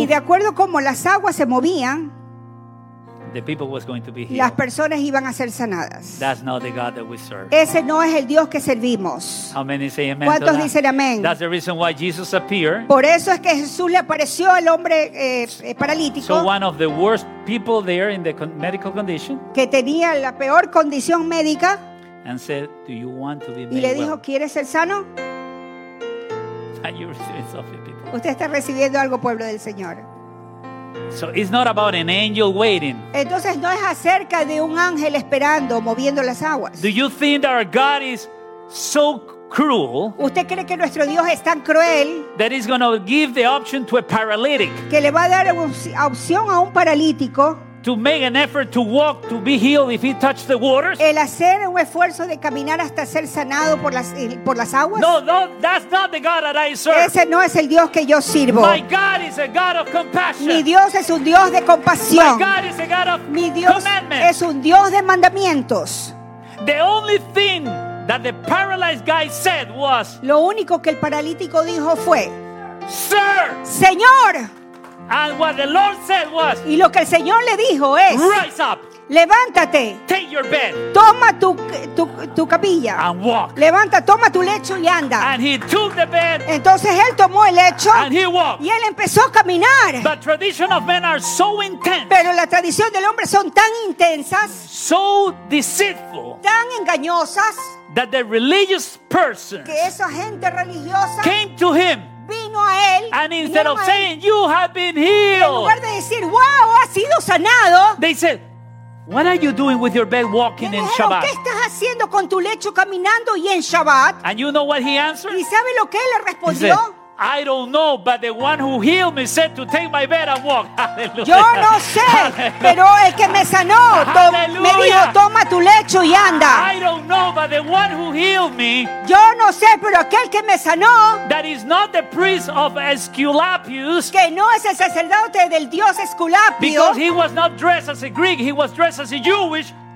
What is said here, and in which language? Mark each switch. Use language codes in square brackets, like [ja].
[es] Y de acuerdo como las aguas se movían. [en] The people was going to be healed. [es] Las personas iban a ser sanadas. [en] That's not the God that we serve. [es] Ese no es el Dios que servimos. [en] How many say amen? [es] ¿Cuántos dicen amén? [en] That's the reason why Jesus appeared. [es] Por eso es que Jesús le apareció al hombre paralítico. [en] So one of the worst people there in the medical condition. [es] Que tenía la peor condición médica. [en] And said, "Do you want to be made well?" [es] Y le dijo, [en] well? [es] ¿Quieres ser sano? [en] Are you receiving something, people? [es] Usted está recibiendo algo, pueblo del Señor. [en] So it's not about an angel waiting. [es] Entonces no es acerca de un ángel esperando, moviendo las aguas. [en] Do you think that our God is so cruel? [es] ¿Usted cree que nuestro Dios es tan cruel? [en] That he's going to give the option to a paralytic. [es] Que le va a dar opción a un paralítico. [en] To make an effort to walk to be healed if he touched the waters? [es] El hacer un esfuerzo de caminar hasta ser sanado por las aguas? [en] No, that's not the God that I serve. [es] Ese no es el Dios que yo sirvo. [en] My God is a God of compassion. [es] Mi Dios es un Dios de compasión. [en] My God is a God of [es] mi Dios [en] commandment. [es] Es un Dios de mandamientos. [en] The only thing that the paralyzed guy said was [es] lo único que el paralítico dijo fue [en] sir. [es] Señor. [en] And what the Lord said was, [es] y lo que el Señor le dijo es, [en] rise up, [es] levántate, [en] take your bed, [es] toma tu capilla, [en] and walk. [es] Levanta, toma tu lecho y anda. [en] And he took the bed, [es] entonces él tomó el lecho, [en] and he walked. [es] Y él empezó a caminar. [en] But tradition of men are so intense, [es] pero la tradición del hombre son tan intensas, [en] so deceitful, [es] tan engañosas, [en] that the religious persons [es] que esa gente religiosa [en] came to him. [es] Vino a él, [en] and instead of saying you have been healed, [es] en lugar de decir wow has sido sanado, [en] they said what are you doing with your bed walking [es] dijeron, [en] in Shabbat, [es] ¿qué estás haciendo con tu lecho caminando y en Shabbat? [en] And you know what he answered, [es] ¿y sabe lo que él le respondió? [en] He said, I don't know, but the one who healed me said to take my bed and walk. Hallelujah. [es] Yo no sé, pero el que me sanó me dijo, toma tu lecho y anda. [en] I don't know, but the one who healed me. [es] Yo no sé, pero aquel que me sanó. [en] That is not the priest of Aesculapius. [es] Que no es el sacerdote del dios Esculapio. [en] Because he was not dressed as a Greek, he was dressed as a Jewish.